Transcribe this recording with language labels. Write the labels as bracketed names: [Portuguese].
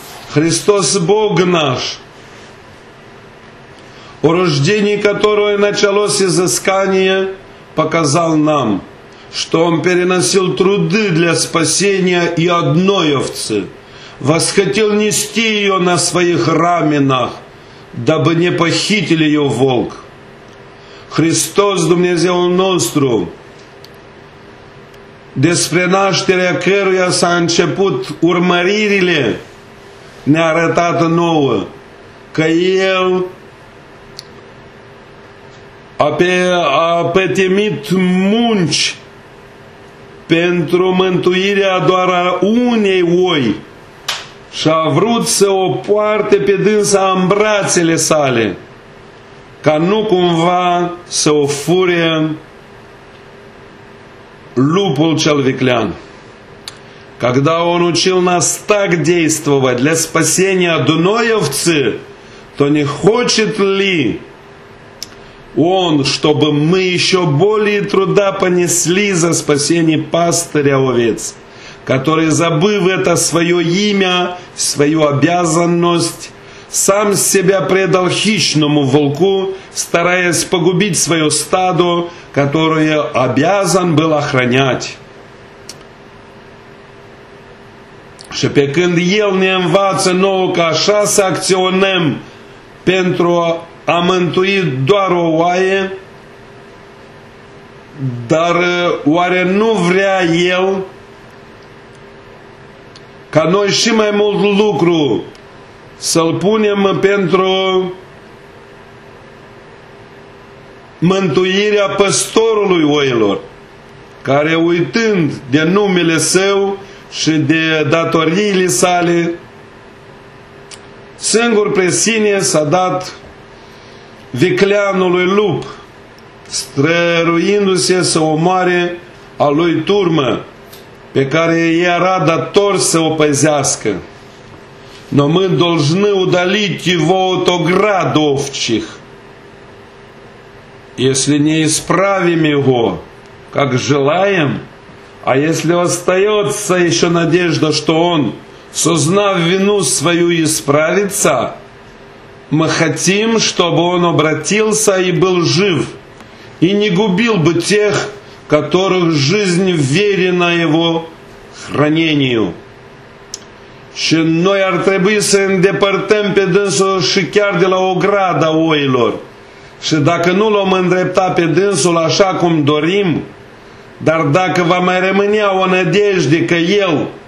[Russian] Христос Бог наш, о рождении которого началось изыскание, показал нам, что Он переносил труды для спасения и одной овцы, восхотел нести ее на своих раменах, дабы не похитил ее волк. [Romanian] Христос, Dumnezeu nostru, despre nașterea căruia s-a început urmăririle, ne-a arătat nouă că El a pătimit munci pentru mântuirea doar a unei oi și a vrut să o poarte pe dânsa în brațele sale ca nu cumva să o fure lupul cel viclean. [Russian] Когда Он учил нас так действовать для спасения одной овцы, то не хочет ли Он, чтобы мы еще более труда понесли за спасение пастыря овец, который, забыв это свое имя, свою обязанность, сам себя предал хищному волку, стараясь погубить свое стадо, которое обязан был охранять? [Romanian] Și pe când El ne învață nouă că așa să acționăm pentru a mântui doar o oaie, dar oare nu vrea El ca noi și mai mult lucru să-L punem pentru mântuirea păstorului oilor, care uitând de numele Său și de datoriile sale, singur pe sine s-a dat vicleanului lup, străruindu-se să omoare a lui turmă, pe care era dator să o păzească. [Russian] Но мы должны удалить его от оград овчих. Если не исправим его, как желаем, а если остается еще надежда, что он, сознав вину свою, исправится, Мы хотим, чтобы он обратился и был жив, и не губил бы тех, которых жизнь вверена его хранению. [Romanian] Și noi ar trebui să îndepărtăm pe dânsul și chiar de la ograda oilor. Și dacă nu l-am îndreptat pe dânsul așa cum dorim, dar dacă va mai rămâne o nădejde că el,